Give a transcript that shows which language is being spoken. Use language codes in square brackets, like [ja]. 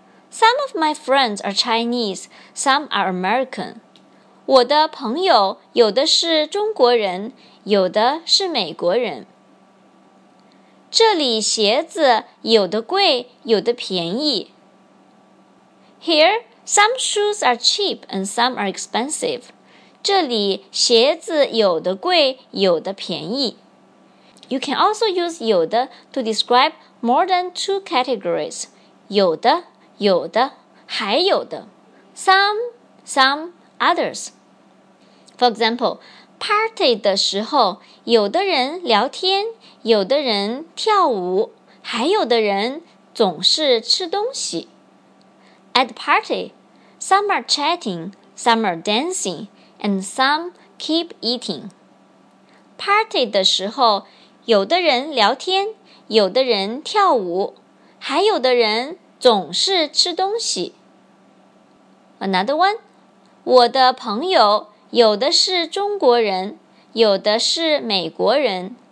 [en] Some of my friends are Chinese, some are American. [zh] 我的朋友有的是中国人,有的是美国人。这里鞋子有的贵,有的便宜。 [en] Here, some shoes are cheap and some are expensive. [zh] 这里鞋子有的贵,有的便宜。 [en] You can also use 有的 to describe more than two categories. [zh] 有的,有的,还有的。 [en] Some, others. [zh] For example, party 的时候,有的人聊天,有的人跳舞,还有的人总是吃东西。 [en] At the party, some are chatting, some are dancing, and some keep eating. [zh] Party 的时候,有的人聊天，有的人跳舞，还有的人总是吃东西。 [en] Another one. [zh] 我的朋友有的是中国人，有的是美国人，